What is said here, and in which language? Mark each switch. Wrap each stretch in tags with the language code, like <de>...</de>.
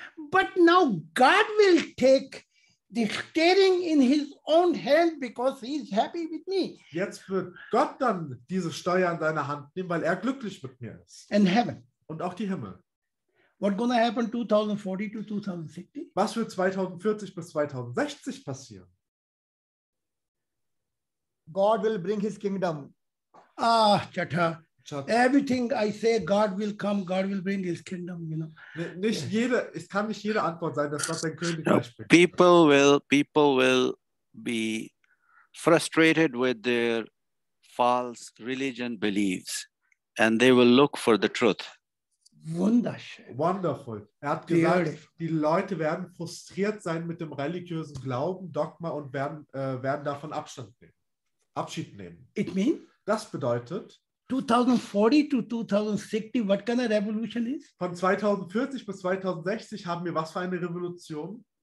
<en>But now God will take the steering in his own hand because he is happy with me.</en> <de>Jetzt wird Gott dann diese Steuer in deine Hand nehmen, weil er glücklich mit mir ist.</de> <en>And heaven.</en> <de>Und auch die Himmel.</de> <en>What gonna happen 2040 to 2060?</en> <de>Was wird 2040 bis 2060 passieren?</de> <en>God will bring his kingdom. Ah, Chata. Everything I say, God will come, God will bring his kingdom, you know.</en> <de>Nicht jede, es kann nicht jede Antwort sein, dass das ein König ist.</de> <en>People will be frustrated with their false religion beliefs and they will look for the truth.</en> <de>Wunderschön.</de> <en>Wonderful.</en> <de>Er hat gesagt, die Leute werden frustriert sein mit dem religiösen Glauben, Dogma und werden davon Abschied nehmen.</de> <en>It mean?</en> <de>Das bedeutet,</de> <en>2040 to 2060, what kind of revolution is?</en> <de>Von 2040 bis 2060 haben wir was für eine Revolution?</de>